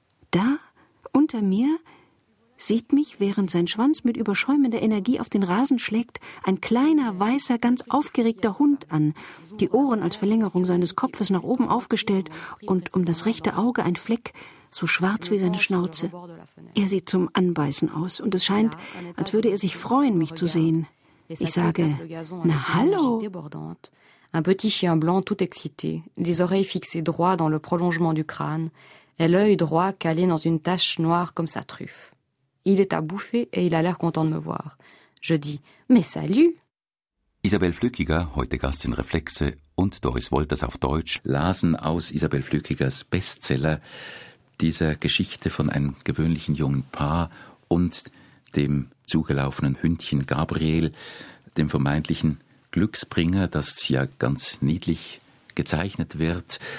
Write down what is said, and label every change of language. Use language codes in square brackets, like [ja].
[de] Da, unter mir, sieht mich, während sein Schwanz mit überschäumender Energie auf den Rasen schlägt, ein kleiner, weißer, ganz aufgeregter Hund an, die Ohren als Verlängerung seines Kopfes nach oben aufgestellt und um das rechte Auge ein Fleck, so schwarz wie seine Schnauze. Er sieht zum Anbeißen aus und es scheint, als würde er sich freuen, mich zu sehen. Ich sage, na hallo. [fr] Un petit chien blanc tout excité, les oreilles fixées droit dans le prolongement du crâne et l'œil droit calé dans une tache noire comme sa truffe. Il est à bouffer et il a l'air content de me voir. Je dis, mais salut! [de] Isabel Flückiger, heute Gast in Reflexe, und Doris Wolters auf Deutsch lasen aus Isabel Flückigers Bestseller dieser Geschichte von einem gewöhnlichen jungen Paar und dem zugelaufenen Hündchen Gabriel, dem vermeintlichen Glücksbringer, das ja ganz niedlich gezeichnet wird.